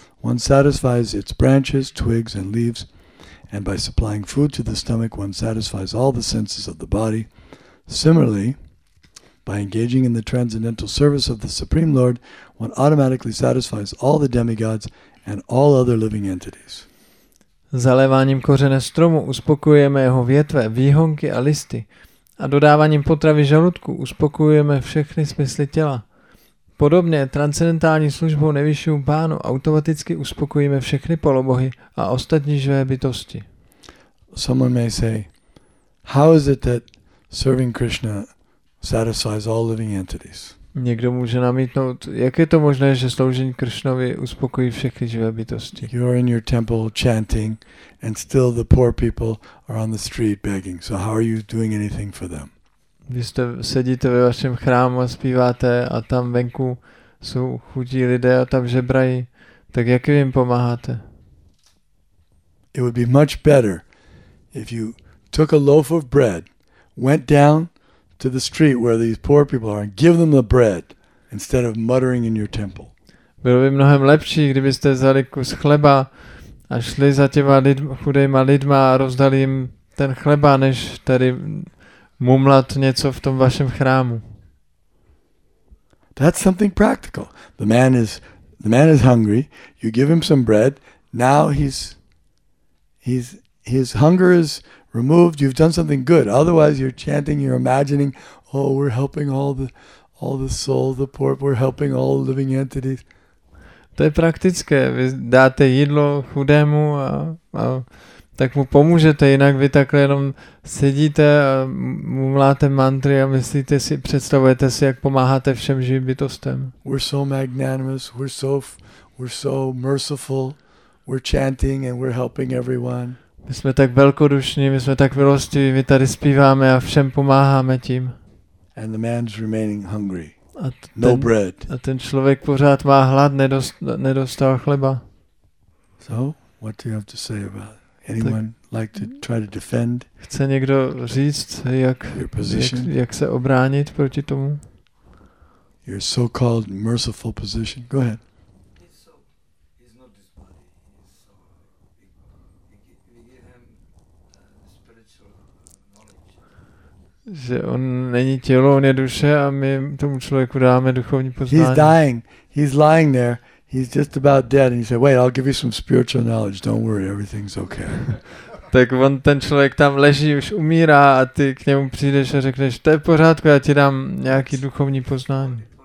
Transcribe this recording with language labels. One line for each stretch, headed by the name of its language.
English: One satisfies its branches, twigs, and leaves, and by supplying food to the stomach, one satisfies all the senses of the body. Similarly, by engaging in the transcendental service of the Supreme Lord, one automatically satisfies all the demigods and all other living entities.
Czech: Zaléváním kořene stromu uspokojujeme jeho větve, výhonky a listy a dodáváním potravy žaludku uspokojujeme všechny smysly těla. Podobně transcendentální službou nejvyššímu pánu automaticky uspokojíme všechny polobohy a ostatní živé bytosti.
English: Someone may say, how is it that serving Krishna satisfies all living entities?
Czech: Někdo může namítnout, jak je to možné, že sloužení Kršnovi uspokojí všechny živé bytosti.
English: You are in your temple chanting and still the poor people are on the street begging. So how are you doing anything for them?
Czech: Vy sedíte ve vašem chrámu a zpíváte a tam venku jsou chudí lidé a tam žebrají. Tak jak jim pomáháte?
English: It would be much better if you took a loaf of bread, went down to the street where these poor people are and give them the bread instead of muttering in your temple.
Czech: Bylo by mnohem lepší, kdybyste vzali kus chleba a šli za těma chudejma lidma a rozdali jim ten chleba, než tady mumlat něco v tom vašem chrámu.
English: That's something practical. The man is hungry. You give him some bread. Now his hunger is removed. You've done something good. Otherwise, you're chanting, you're imagining, oh, we're helping all the souls, the poor. We're helping all living entities.
Czech: To je praktické. Vy dáte jídlo chudému a tak mu pomůžete, jinak vy takhle jenom sedíte a mumláte mantry a myslíte si, představujete si, jak pomáháte všem živým bytostem.
English: We're so magnanimous, we're so merciful, we're chanting and we're helping everyone.
Czech: My jsme tak velkodušní, my jsme tak milostiví, my tady zpíváme a všem pomáháme tím.
English: And the man's remaining hungry.
Czech: A ten člověk pořád má hlad, nedostal chleba.
English: So, what do you have to say about it? Anyone like to try to defend?
Czech: Chce někdo říct, jak se obránit proti tomu?
English: Your so-called merciful position. Go ahead.
Czech: Že on není tělo, on je duše a my tomu člověku dáme duchovní poznání.
English: He's dying. He's lying there. He's just about dead, and he said, "Wait, I'll give you some spiritual knowledge. Don't worry, everything's okay."
Czech: Tak on ten člověk tam leží, už umírá, a ty k němu přijdeš a řekneš, to je v pořádku, já ti dám nějaký duchovní poznání.